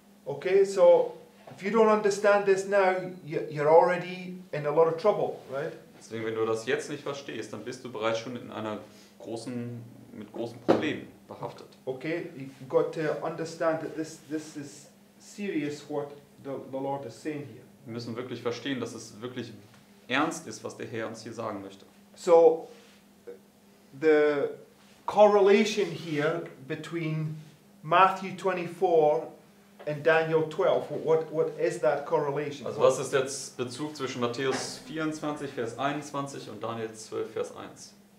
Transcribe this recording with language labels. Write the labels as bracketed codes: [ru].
[en] Okay, so if you don't understand this now, you're already in a lot of trouble, right? [de] Deswegen, wenn du das jetzt nicht verstehst, dann bist du bereits schon in einer großen, mit großen Problemen behaftet. [en] Okay, you've got to understand that this is serious what the Lord is saying here. [de] Wir müssen wirklich verstehen, dass es wirklich ernst ist, was der Herr uns hier sagen möchte. [en] So, the correlation here between Matthew 24 and Daniel 12, what is that correlation? [de] Also was ist jetzt Bezug zwischen Matthäus 24, Vers 21 und Daniel 12, Vers 1?